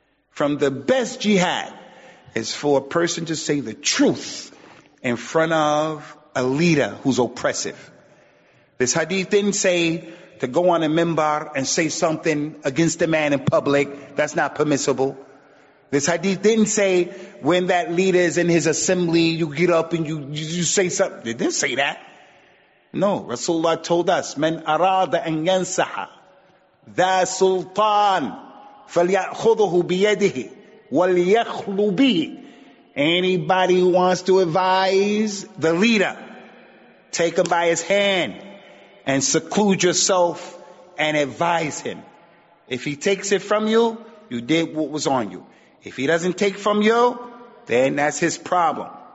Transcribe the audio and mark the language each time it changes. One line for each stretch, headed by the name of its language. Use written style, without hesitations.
English: From the best jihad is for a person to say the truth in front of a leader who's oppressive. This hadith didn't say to go on a minbar and say something against a man in public. That's not permissible. This hadith didn't say when that leader is in his assembly, you get up and you say something. It didn't say that. No, Rasulullah told us,
Arabic: من أراد أن ينصح ذا سلطان فليأخذه بيده وليخلو به.
English: Anybody who wants to advise the leader, take him by his hand and seclude yourself and advise him. If he takes it from you, you did what was on you. If he doesn't take from you, then that's his problem.